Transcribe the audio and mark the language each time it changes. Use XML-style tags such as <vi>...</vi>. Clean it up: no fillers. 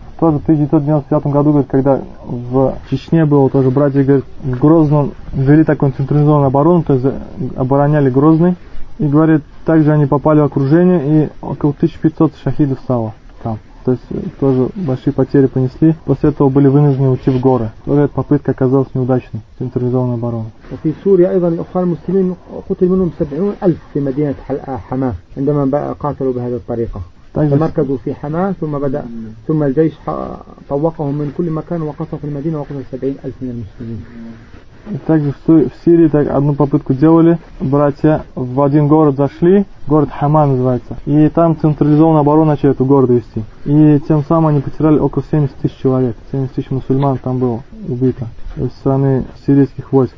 <ru>В 1999 году, говорит, когда в Чечне было, тоже братья, говорит, в Грозном вели такую централизованную оборону, то есть обороняли Грозный, и, говорит, также они попали в окружение, и около 1500 шахидов стало там. То есть тоже большие потери понесли. После этого были вынуждены уйти в горы. Тоже эта попытка оказалась неудачной. Централизованная оборона. А в Сирии,</ru> <ar>ايضا اخوان المسلمين قتل منهم 70000 في مدينة حماة عندما قاتلوا بهذه الطريقة. تمركزوا في حماة ثم بدأ ثم الجيش طوقهم من كل مكان وقصف المدينة وقتل 70000 من المسلمين.</ar> <ru>Также в Сирии так одну попытку делали, братья в один город зашли, город Хама называется, и там централизованную оборону начали эту города вести. И тем самым они потеряли около 70 тысяч человек, 70 тысяч мусульман там было убито из стороны сирийских войск.</ru>